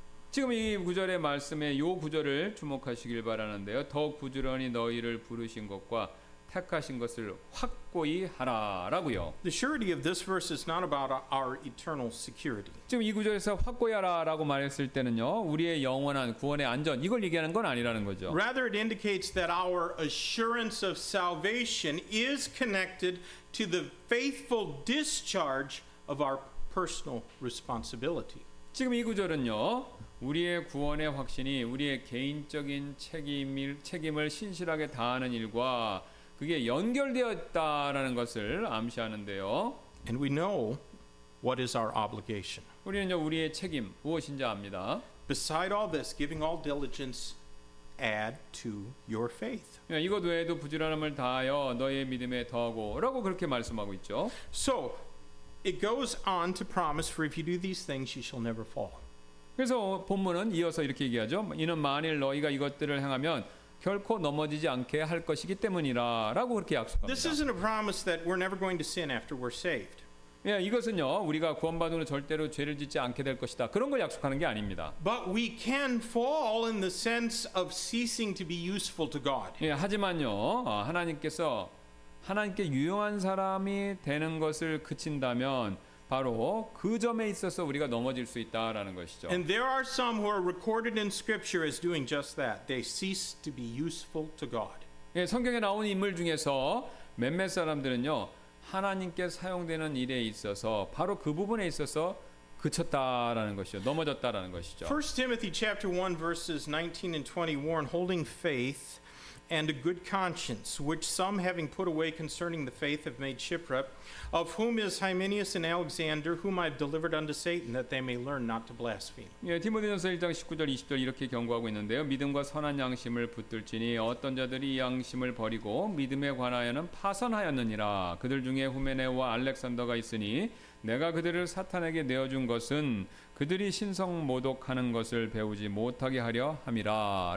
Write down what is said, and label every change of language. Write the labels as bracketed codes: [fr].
[ko] 지금 이 구절의 말씀에 요 구절을 주목하시길 바라는데요. 더욱 부지런히 너희를 부르신 것과 택하신 것을 확고히 하라라고요. [en] The surety of this verse is not about our eternal security. [ko] 지금 이 구절에서 확고히 하라라고 말했을 때는요, 우리의 영원한 구원의 안전 이걸 얘기하는 건 아니라는 거죠. [en] Rather, it indicates that our assurance of salvation is connected to the faithful discharge of our personal responsibility. [ko] 지금 이 구절은요. 우리의 구원의 확신이 우리의 개인적인 책임을 신실하게 다하는 일과 그게 연결되어 있다라는 것을 암시하는데요. [en] And we know what is our obligation. [ko] 우리는요, 우리의 책임 무엇인지 압니다. [en] Beside all this, giving all diligence, add to your faith. [ko] 이것 외에도 부지런함을 다하여 너의 믿음에 더하고라고 그렇게 말씀하고 있죠. [en] So it goes on to promise, for if you do these things, you shall never fall. [ko] 그래서 본문은 이어서 이렇게 얘기하죠. 이는 만일 너희가 이것들을 행하면 결코 넘어지지 않게 할 것이기 때문이라라고 그렇게 약속합니다. [en] This isn't a promise that we're never going to sin after we're saved. [ko] 예, 이것은요 우리가 구원받은 후 절대로 죄를 짓지 않게 될 것이다 그런 걸 약속하는 게 아닙니다. [en] But we can fall in the sense of ceasing to be useful to God. [ko] 예, 하지만요 하나님께서 하나님께 유용한 사람이 되는 것을 그친다면 바로 그 점에 있어서 우리가 넘어질 수 있다라는 것이죠. [en] And there are some who are recorded in Scripture as doing just that. They cease to be useful to God. [ko] 예, 성경에 나온 인물 중에서 몇몇 사람들은요 하나님께 사용되는 일에 있어서 바로 그 부분에 있어서 그쳤다라는 것이죠. 넘어졌다라는 것이죠. [en] 1 Timothy chapter 1 verses 19 and 20 warn holding faith and a good conscience, which some having put away concerning the faith have made shipwreck, of whom is Hymenaeus and Alexander, whom I have delivered unto Satan, that they may learn not to blaspheme. [ko] 예, 디모데전서 1장 19절, 20절 이렇게 경고하고 있는데요. 믿음과 선한 양심을 붙들지니 어떤 자들이 양심을 버리고 믿음에 관하여는 파선하였느니라. 그들 중에 후메네와 알렉산더가 있으니 내가 그들을 사탄에게 내어준 것은 그들이 신성 모독하는 것을 배우지 못하게 하려 함이라.